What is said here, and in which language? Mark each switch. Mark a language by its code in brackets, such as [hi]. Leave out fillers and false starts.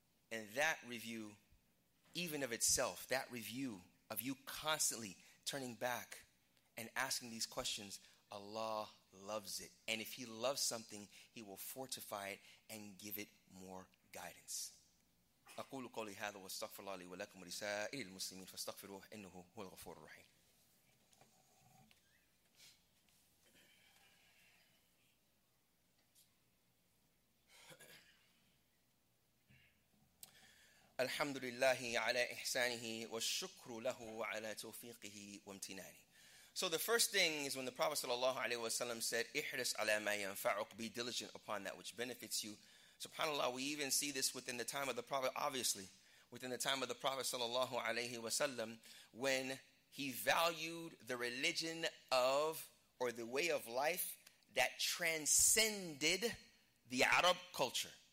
[en] And that review, even of itself, that review of you constantly turning back and asking these questions, Allah loves it. And if He loves something, He will fortify it and give it more guidance. [ar] أقول قولي هذا واستغفر الله لي ولكم ولسائر المسلمين فاستغفروه إنه هو الغفور الرحيم. الحمد لله على إحسانه والشكر له على توفيقه وامتنانه. [en] So the first thing is when the Prophet sallallahu alaihi wasallam said, [ar] احرص على ما ينفعك, [en] be diligent upon that which benefits you. SubhanAllah, we even see this within the time of the Prophet, obviously, within the time of the Prophet sallallahu alayhi wa sallam, when he valued the religion of, or the way of life that transcended the Arab culture.